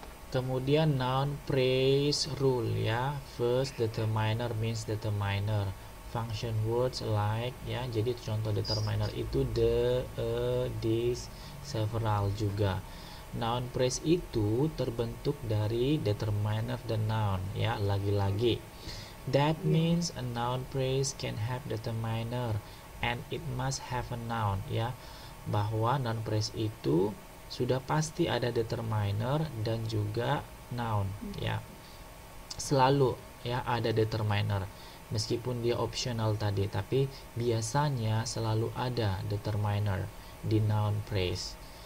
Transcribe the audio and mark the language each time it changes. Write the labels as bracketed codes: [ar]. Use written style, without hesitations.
[en] Kemudian noun phrase rule ya. First determiner means determiner. Function words like [id] ya. Jadi contoh determiner itu the, a, this, several juga. Noun phrase itu terbentuk dari determiner dan noun ya, lagi-lagi. [en] That means a noun phrase can have determiner and it must have a noun ya. [id] Bahwa noun phrase itu sudah pasti ada determiner dan juga noun ya. Selalu ya ada determiner. Meskipun dia optional tadi, tapi biasanya selalu ada determiner di noun phrase.